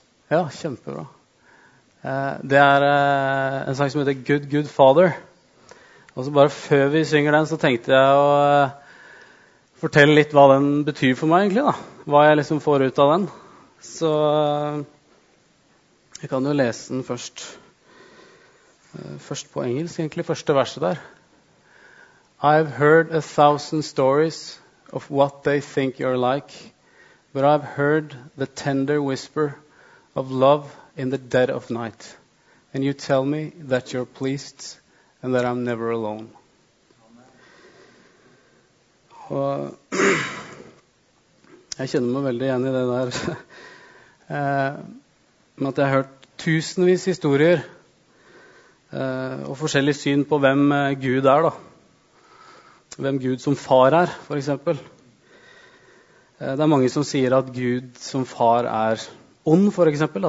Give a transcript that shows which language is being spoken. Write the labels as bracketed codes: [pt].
[no] Ja, kjempebra. Det er en sang som heter Good, Good Father. Og så bare før vi synger den, så tenkte jeg å fortell litt hva den betyr for meg, egentlig, da. Hva jeg liksom får ut av den. Så jeg kan jo lese den først. Først på engelsk, egentlig. Første verset der. [en] I've heard 1,000 stories of what they think you're like, but I've heard the tender whisper of love in the dead of night. And you tell me that you're pleased and that I'm never alone. [no] Og jeg kjenner meg veldig igjen i det der. Men at jeg har hørt tusenvis historier og forskjellig syn på hvem Gud er, da. Hvem Gud som far er, for eksempel. Det er mange som sier at Gud som far er ond, for eksempel.